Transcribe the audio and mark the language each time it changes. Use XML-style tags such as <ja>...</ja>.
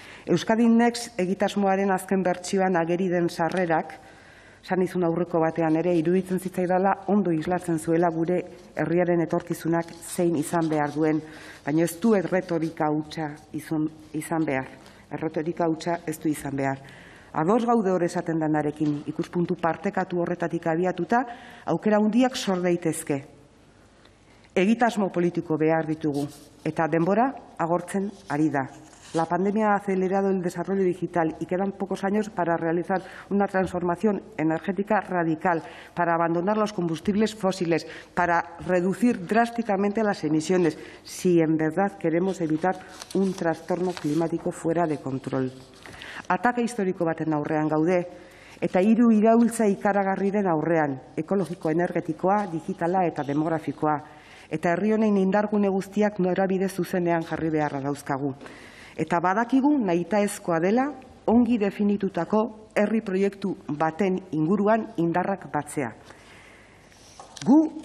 <eu>Euskadi Next egitasmoaren azken bertsioan ageri den sarrerak, san izun aurreko batean ere iruditzen zitzaidala ondo islatzen zuela gure herriaren etorkizunak zein izan behar duen, baina ez du erretorika hutsa izan behar. Erretorika hutsa ez du izan behar. Ados gaude hor esaten denarekin, ikuspuntu partekatu horretatik abiatuta, aukera handiak sor daitezke. Egitasmo politiko behar ditugu, eta denbora agortzen ari da.</eu> <es>La pandemia ha acelerado el desarrollo digital y quedan pocos años para realizar una transformación energética radical, para abandonar los combustibles fósiles, para reducir drásticamente las emisiones, si en verdad queremos evitar un trastorno climático fuera de control.</es> <eu>Ataka historiko baten aurrean gaude, eta hiru iraultza ikaragarriren aurrean, ekologiko, energetikoa, digitala eta demografikoa, eta herri honen indargune guztiak norabide zuzenean jarri beharra dauzkagu. Eta badakigu nahitaezkoa dela ongi definitutako herri proiektu baten inguruan indarrak batzea. Gu</eu>